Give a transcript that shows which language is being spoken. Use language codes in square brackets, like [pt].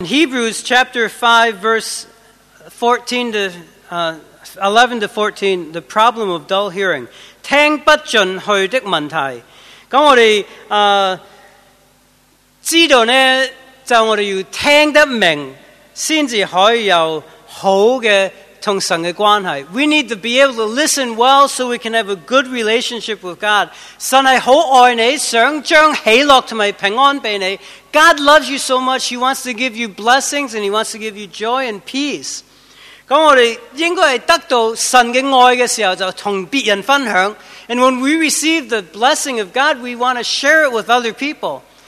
[en] Hebrews chapter 5, verse 14 to 11 to 14, the problem of dull hearing. [yue] 听不进去的问题。我们知道呢，就我们要听得明，才可以有好的同神的关系。 [en] We need to be able to listen well so we can have a good relationship with God. [yue] 神是很爱你，想将喜乐和平安给你。 [en] God loves you so much, He wants to give you blessings and He wants to give you joy and peace. [yue] 我们应该得到神的爱的时候，就同别人分享。 [en] And when we receive the blessing of God, we want to share it with other people.